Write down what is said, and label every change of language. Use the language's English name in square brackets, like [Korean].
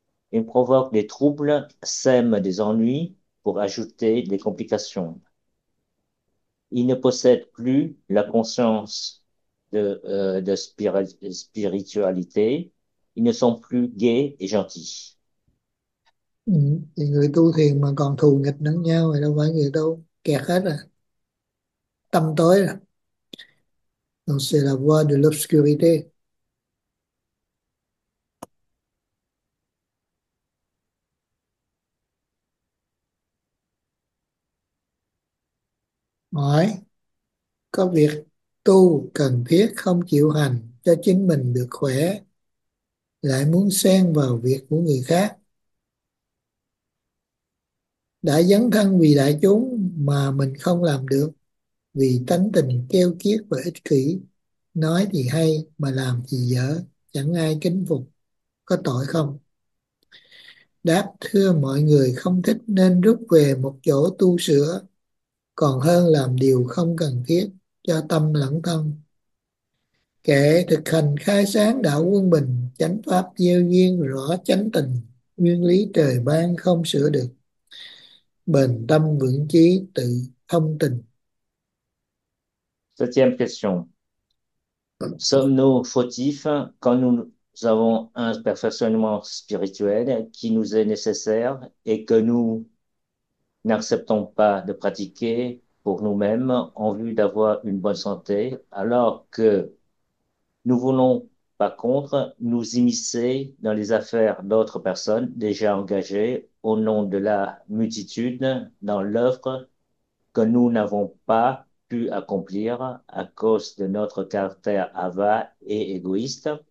[French] Il provoque des troubles, sème des ennuis pour ajouter des complications. Il ne possède plus la conscience de spiritualité. Ils ne sont plus gais et gentils. [Vietnamese] Thì người tu thiền mà còn thù nghịch lẫn nhau thì đâu phải người tu, kẹt hết rồi, tâm tối rồi. [French] Donc c'est la voie de l'obscurité. [Vietnamese] Hỏi: có việc tu cần thiết không chịu hành cho chính mình được khỏe, lại muốn xen vào việc của người khác, đã dấn thân vì đại chúng mà mình không làm được vì tánh tình keo kiết và ích kỷ, nói thì hay mà làm thì dở, chẳng ai kính phục, có tội không? Đáp: thưa mọi người, không thích nên rút về một chỗ tu sửa, còn hơn làm điều không cần thiết cho tâm lẫn thân. Kệ: thực hành khai sáng đạo quân bình, chánh pháp gieo duyên rõ chánh tình, nguyên lý trời ban không sửa được, bền tâm vững chí tự thông tình. [French] Septième question. Sommes-nous fautifs quand nous avons un perfectionnement spirituel qui nous est nécessaire et que nous n'acceptons pas de pratiquer pour nous-mêmes en vue d'avoir une bonne santé, alors que nous voulons, par contre, nous immiscer dans les affaires d'autres personnes déjà engagées au nom de la multitude dans l'œuvre que nous n'avons pas accomplir à cause de notre caractère avare et égoïste.